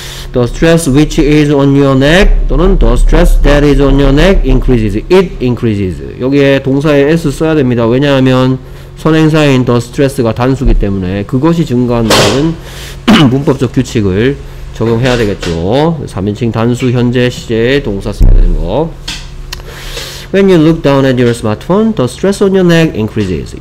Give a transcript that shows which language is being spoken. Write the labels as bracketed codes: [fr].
[en] The stress which is on your neck [ko] 또는 [en] the stress that is on your neck increases. It increases. [ko] 여기에 동사의 s 써야 됩니다. 왜냐하면 선행사인 the stress가 단수기 때문에 그것이 증가한다는 문법적 규칙을 적용해야 되겠죠. 3인칭 단수 현재 시제의 동사 써야 되는 거. [en] When you look down at your smartphone, the stress on your neck increases.